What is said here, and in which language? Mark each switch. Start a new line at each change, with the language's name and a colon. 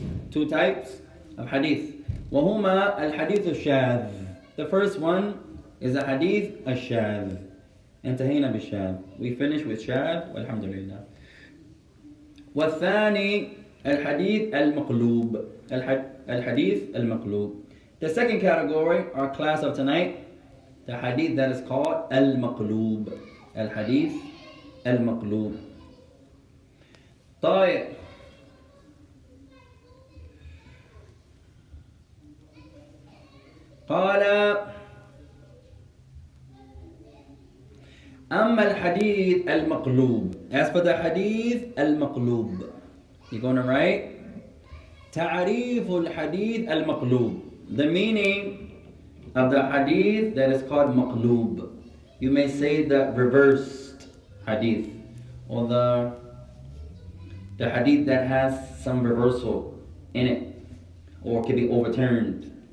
English: Two types of hadith.
Arabic: وهما الحديث الشاذ.
English: The first one is a hadith الشاذ.
Arabic: انتهينا بالشاذ.
English: We finish with شاذ
Arabic: والحمد لله. والثاني الحديث المقلوب. الحديث المقلوب.
English: The second category, our class of tonight, the hadith that is called المقلوب.
Arabic: الحديث المقلوب. طيب. قال أما الحديث المقلوب.
English: As for the hadith المقلوب. You're going to write تعريف الحديث المقلوب. The meaning of the hadith that is called مقلوب. You may say the reversed hadith, or the hadith that has some reversal in it, or can be overturned.